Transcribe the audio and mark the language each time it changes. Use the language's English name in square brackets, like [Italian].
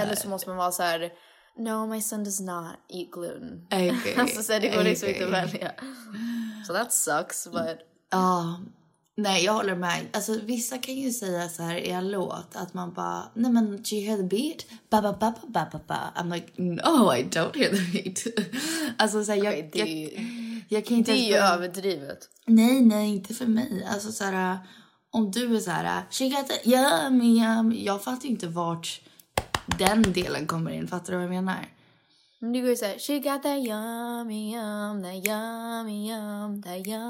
[Swedish] Eller så måste man vara så här, [English] no, my son does not eat gluten. Okay. [Swedish] Alltså, så det går liksom inte att välja. [English] So that sucks, but... [Swedish] Nej, jag håller med. Alltså, vissa kan ju säga så här i en låt att man bara, nej men, [English] do you hear the beat? Ba ba ba ba ba ba ba. I'm like, no, I don't hear the beat. [Swedish] Alltså, så här, jag kan inte... Det är ju överdrivet. Nej, inte för mig. Alltså, så här, om du är så här, [English] she got the yummy yum. [Swedish] Jag fattar ju inte vart den delen kommer in. Fattar du vad jag menar? Du går ju såhär, [English] she got that yummy yum, that yummy yum, that yum.